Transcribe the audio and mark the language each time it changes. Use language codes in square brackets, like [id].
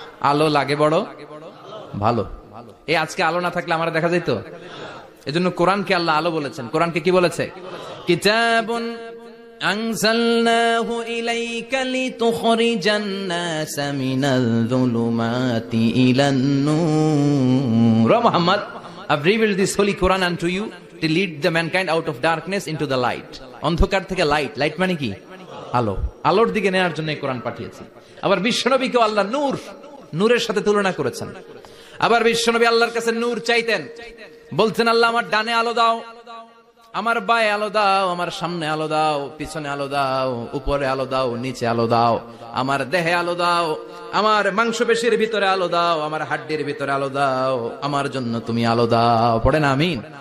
[bn] আলো লাগে বড় ভালো। এই আজকে আলো না থাকলে আমরা দেখা যাইতো? এই জন্য কোরআনকে আল্লাহ আলো বলেছেন, কোরআনকে কি বলেছে, [ar] কিতাবুন أنزلناه إليك لتخرج الناس من الظلمات إلى النور. [en] محمد, I've revealed this holy Quran unto you to lead the mankind out of darkness into the light. [bn] অন্ধকার থেকে light. Light মানে কি? আলো। আলোর দিকে নেওয়ার জন্য এই কোরআন পাঠিয়েছি। আবার বিশ্বনবীকে আল্লাহ নূর, নূরের সাথে তুলনা করেছেন। আবার বিশ্বনবী আল্লাহর কাছে নূর চাইতেন, বলছেন আল্লাহ আমার ডানে আলো দাও, আমার বায়ে আলো দাও, আমার সামনে আলো দাও, পিছনে আলো দাও, উপরে আলো দাও, নিচে আলো দাও, আমার দেহে আলো দাও, আমার মাংসপেশির ভিতরে আলো দাও, আমার হাড্ডির ভিতরে আলো দাও, আমার জন্য তুমি আলো দাও, পড়েন আমিন।